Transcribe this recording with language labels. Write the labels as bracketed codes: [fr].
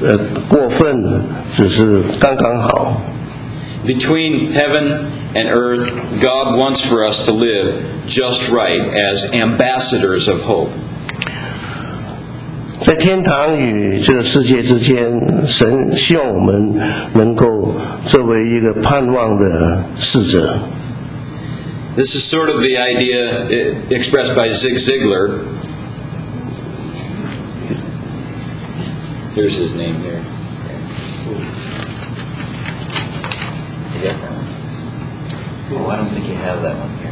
[zh] 在这个世界跟天堂之间我们也可以这样子不要过分只是刚刚好 [en] Between heaven and earth, God wants for us to live just right as ambassadors of hope. [zh] 在天堂与这个世界之间，神希望我们能够作为一个盼望的使者。 [en] This is sort of the idea expressed by Zig Ziglar. Here's his name here. Oh, I don't think you have that one here.